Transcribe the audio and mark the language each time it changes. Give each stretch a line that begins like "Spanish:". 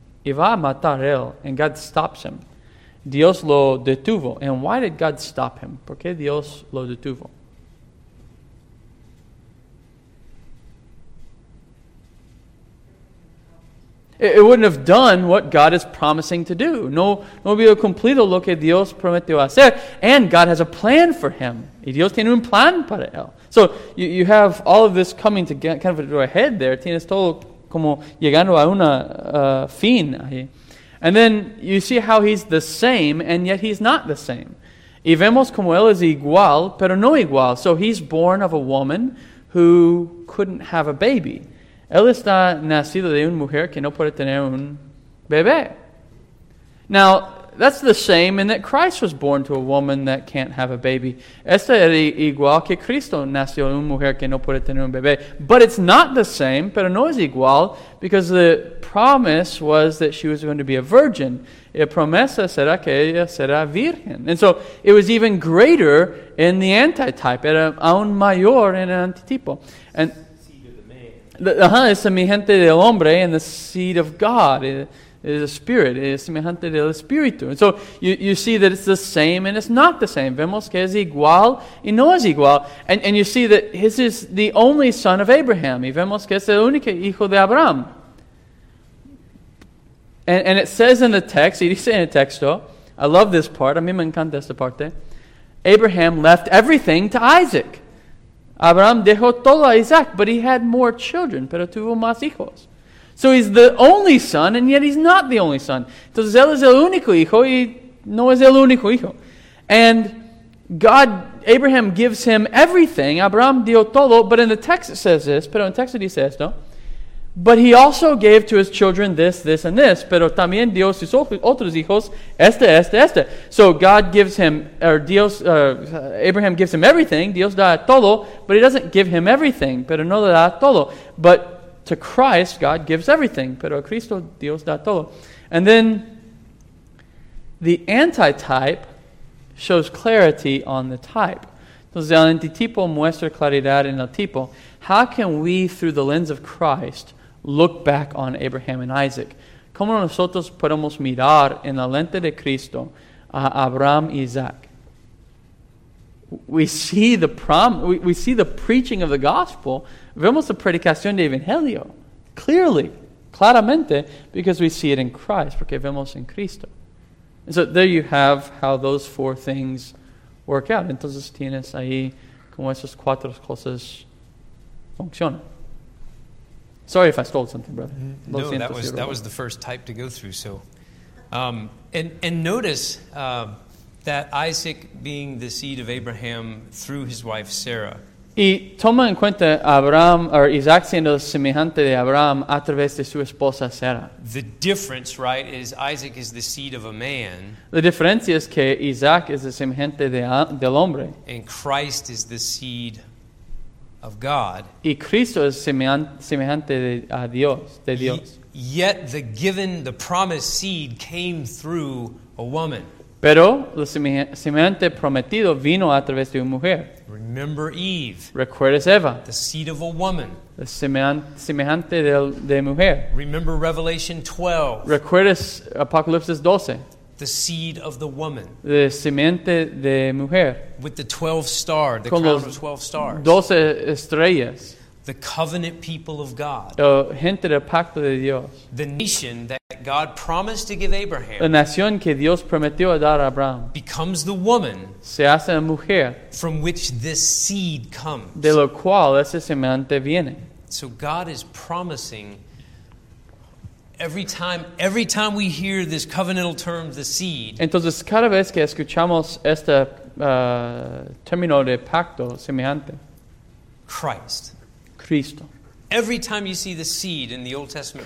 Spanish: Y va a matar él.
English: And God stops him.
Spanish: Dios lo detuvo.
English: And why did God stop him?
Spanish: ¿Por qué Dios lo detuvo?
English: It wouldn't have done what God is promising to do.
Spanish: No hubiera cumplido lo que Dios prometió hacer.
English: And God has a plan for him.
Spanish: Y Dios tiene un plan para él.
English: So you have all of this coming together, kind of to a head there.
Spanish: Tienes todo como llegando a una fin ahí.
English: And then you see how he's the same, and yet he's not the same.
Spanish: Y vemos como él es igual, pero no igual.
English: So he's born of a woman who couldn't have a baby.
Spanish: Él está nacido de una mujer que no puede tener un bebé.
English: Now, that's the same in that Christ was born to a woman that can't have a baby.
Spanish: Esta es igual que Cristo nació de una mujer que no puede tener un bebé.
English: But it's not the same,
Spanish: pero no es igual,
English: because the promise was that she was going to be a virgin.
Spanish: La promesa será que ella será virgen.
English: And so, it was even greater in the antitype.
Spanish: Era aún mayor en el antitipo. And es semejante del hombre
English: and the seed of God. It is a spirit.
Spanish: Es semejante del espíritu.
English: And so you see that it's the same and it's not the same.
Spanish: Vemos que es igual y no es igual.
English: And you see that this is the only son of Abraham.
Spanish: Y vemos que es el único hijo de Abraham.
English: And it says in the text,
Spanish: y dice en el texto,
English: I love this part,
Spanish: a mí me encanta esta parte,
English: Abraham left everything to Isaac.
Spanish: Abraham dejó todo a Isaac,
English: but he had more children,
Spanish: pero tuvo más hijos.
English: So he's the only son, and yet he's not the only son.
Spanish: Entonces él es el único hijo, y no es el único hijo.
English: And God, Abraham gives him everything.
Spanish: Abraham dio todo,
English: but in the text it says this,
Spanish: pero en el texto dice esto.
English: But he also gave to his children this, this, and this.
Spanish: Pero también dio sus otros hijos este, este, este.
English: So God gives him, or Dios, Abraham gives him everything.
Spanish: Dios da todo,
English: but he doesn't give him everything.
Spanish: Pero no le da todo.
English: But to Christ, God gives everything.
Spanish: Pero a Cristo, Dios da todo.
English: And then the antitype shows clarity on the type.
Spanish: Entonces el antitipo muestra claridad en el tipo.
English: How can we, through the lens of Christ, look back on Abraham and Isaac?
Spanish: ¿Cómo nosotros podemos mirar en la lente de Cristo a Abraham y Isaac?
English: We see the preaching of the gospel.
Spanish: Vemos la predicación de Evangelio.
English: Clearly.
Spanish: Claramente.
English: Because we see it in Christ.
Spanish: Porque vemos en Cristo.
English: And so there you have how those four things work out. Entonces tienes ahí cómo esas cuatro cosas funcionan. Sorry if I stole something, brother. No, that was the first type to go through. So, notice that Isaac being the seed of Abraham through his wife Sarah.
Spanish: Y toma en cuenta Abraham or Isaac siendo semejante de Abraham a través de su esposa Sarah.
English: The difference, right, is Isaac is the seed of a man.
Spanish: La diferencia es que Isaac es semejante del hombre.
English: And Christ is the seed of God.
Spanish: Y Cristo es semejante de a Dios, de Dios.
English: Yet the promised seed came through a woman.
Spanish: Pero la semejante prometido vino a través de una mujer.
English: Remember Eve.
Spanish: ¿Recuerdas Eva?
English: The seed of a woman.
Spanish: La semejante de mujer.
English: Remember Revelation 12.
Spanish: ¿Recuerdas Apocalipsis 12?
English: The seed of the woman.
Spanish: La semejante de mujer.
English: With the 12 stars, the
Spanish: Con
English: crown of 12 stars.
Spanish: 12 estrellas.
English: The covenant people of God.
Spanish: La gente del pacto de Dios.
English: The nation that God promised to give Abraham.
Spanish: La nación que Dios prometió a dar a Abraham.
English: Becomes the woman.
Spanish: Se hace la mujer.
English: From which this seed comes.
Spanish: De lo cual ese semente viene.
English: So God is promising. Every time we hear this covenantal term, the seed.
Spanish: Entonces cada vez que escuchamos este término de pacto semejante.
English: Christ.
Spanish: Cristo.
English: Every time you see the seed in the Old Testament,